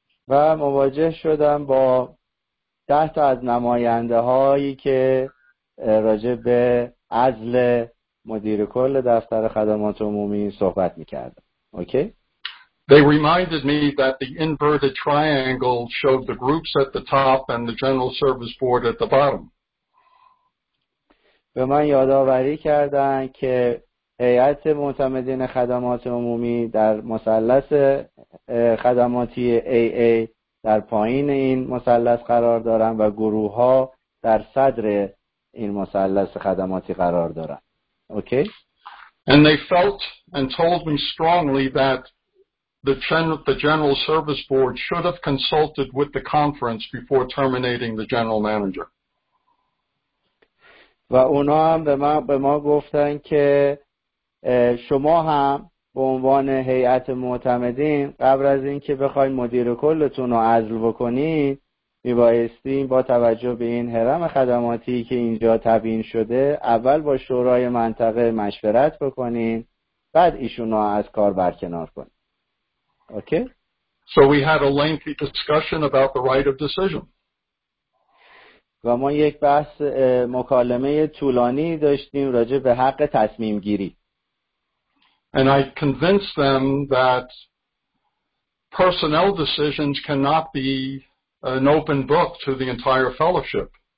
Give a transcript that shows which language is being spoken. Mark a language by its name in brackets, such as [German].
[Persian] و مواجه شدم با 10 تا از نماینده هایی که راجع به عزل مدیر کل دفتر خدمات عمومی صحبت می‌کردم. [English] Okay? They reminded me that the inverted triangle showed the groups at the top and the general service board at the bottom. [Persian] به من یادآوری کردن که هیئت معتمدین خدمات عمومی در مثلث خدماتی AA در پایین این مثلث قرار دارن و گروه ها در صدر این مثلث خدماتی قرار دارن. اوکی؟ [English] And they felt and told me strongly that the General Service Board should have consulted with the conference before terminating the general manager. [Persian] و اونا هم به ما گفتن که شما هم به عنوان هیئت معتمدین قبل از اینکه بخواید مدیر کلتون رو عزل بکنید میبایستین با توجه به این هرم خدماتی که اینجا تبیین شده اول با شورای منطقه مشورت بکنید بعد ایشون رو از کار برکنار کنید. [English] Okay? So we had a lengthy discussion about the right of decision. [Persian] و ما یک بحث مکالمه طولانی داشتیم راجع به حق تصمیم گیری. [English] And I convinced them that personnel decisions cannot be an open book to the entire fellowship.